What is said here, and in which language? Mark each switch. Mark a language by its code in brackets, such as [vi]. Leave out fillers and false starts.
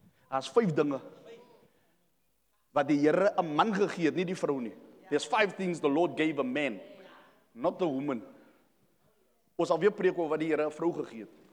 [af] Daar's 5 dinge wat die Here 'n man gegee het, nie die vrou nie. [en] There's 5 things the Lord gave a man, not the woman. [af] Ons alweer preek oor wat die Here 'n vrou gegee het.